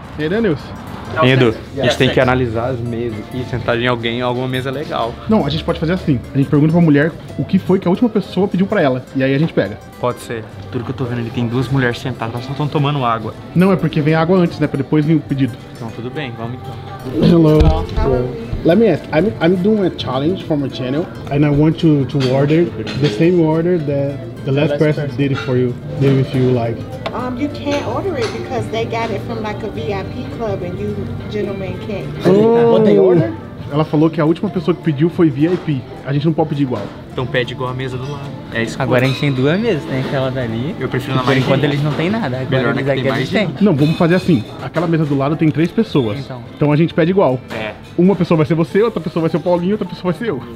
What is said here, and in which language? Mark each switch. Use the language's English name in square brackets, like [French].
[Portuguese] E aí, Danilson? Edu, a gente tem que analisar as mesas e sentar em alguém em alguma mesa legal. Não, a gente pode fazer assim. A gente pergunta pra mulher o que foi que a última pessoa pediu pra ela. E aí a gente pega. Pode ser. Tudo que eu tô vendo ali tem duas mulheres sentadas, elas só estão tomando água. Não, é porque vem água antes, né? Pra depois vir o pedido. Então tudo bem, vamos então. [English] Hello. Let me ask, I'm doing a challenge for my channel and I want to order the same order that the last person did it for you. Maybe if you like. You can't order it because they got it from like a VIP club and you gentlemen can't. Oh. What they order? [Portuguese] Ela falou que a última pessoa que pediu foi VIP. A gente não pode pedir igual. Então pede igual a mesa do lado. É isso. Agora a gente tem duas mesas, tem aquela dali. Eu prefiro na mais. Por enquanto eles não têm nada. Agora melhor eles aqui a gente tem. Não, vamos fazer assim. Aquela mesa do lado tem três pessoas. Então a gente pede igual. É. Uma pessoa vai ser você, outra pessoa vai ser o Paulinho, outra pessoa vai ser eu.